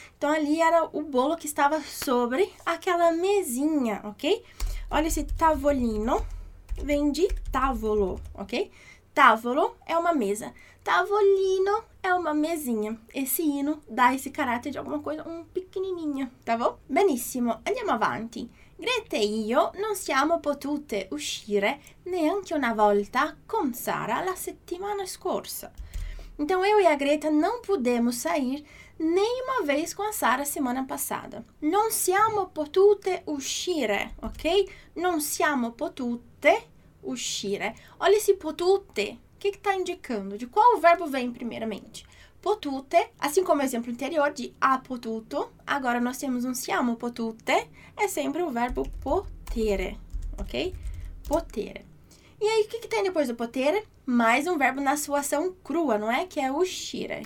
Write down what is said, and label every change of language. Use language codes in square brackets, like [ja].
[pt] Então, ali era o bolo que estava sobre aquela mesinha, ok? Olha esse tavolino, vem de tavolo, ok? Tavolo é uma mesa. Tavolino é uma mesinha. Esse ino dá esse caráter de alguma coisa um pequenininha, tá bom? [it] Benissimo, andiamo avanti. Grete e io non siamo potute uscire neanche una volta con Sara la settimana scorsa. [pt] Então, eu e a Greta não pudemos sair nem uma vez com a Sara semana passada. [it] Non siamo potute uscire, [pt] ok? [it] Non siamo potute uscire. [pt] Olha esse potute. O que que tá indicando? De qual verbo vem primeiramente? Potute, assim como o exemplo anterior de ha potuto, agora nós temos um siamo potute, é sempre o verbo potere, ok? Potere. E aí, o que que tem depois do potere? Mais um verbo na sua ação crua, não é? Que é uscire.